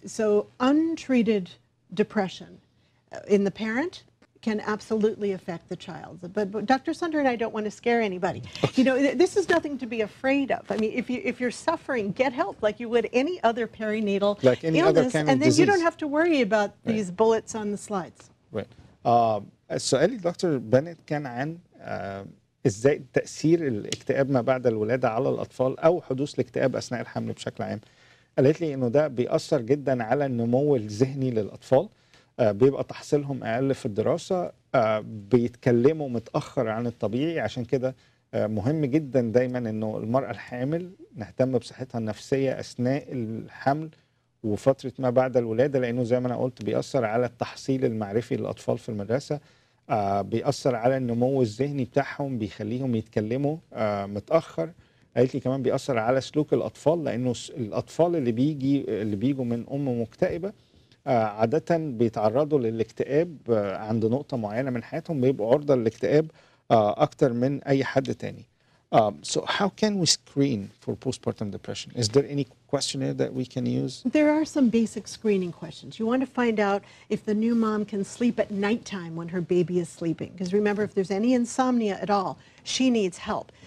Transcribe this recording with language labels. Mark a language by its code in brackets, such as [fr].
[en] So untreated depression in the parent can absolutely affect the child. But Dr. Sunder and I don't want to scare anybody. You know, this is nothing to be afraid of. I mean, if you're suffering, get help like you would any other perinatal like any illness, other kind and of disease. You don't have to worry about these bullets on the slides. Right. [ar] سؤالي دكتور بنت كان عن ازاي تأثير الاكتئاب ما بعد الولادة على الأطفال أو حدوث الاكتئاب أثناء الحمل بشكل عام. قالت لي إنه ده بيأثر جدا على النمو الذهني للأطفال. بيبقى تحصيلهم أقل في الدراسة, بيتكلموا متأخر عن الطبيعي. عشان كده مهم جدا دايما أنه المرأة الحامل نهتم بصحتها النفسية أثناء الحمل وفترة ما بعد الولادة, لأنه زي ما أنا قلت بيأثر على التحصيل المعرفي للأطفال في المدرسة, بيأثر على النمو الذهني بتاعهم, بيخليهم يتكلموا متأخر. قالت لي كمان بيأثر على سلوك الأطفال, لأنه الأطفال اللي بيجوا من أم مكتئبة عادة بيتعرضوا للاكتئاب عند نقطة معينة من حياتهم, بيبقوا عرضة للاكتئاب أكتر من أي حد تاني. [en] So how can we screen for postpartum depression? Is there any questionnaire that we can use? There are some basic screening questions. You want to find out if the new mom can sleep at nighttime when her baby is sleeping. Because remember, if there's any insomnia at all, she needs help.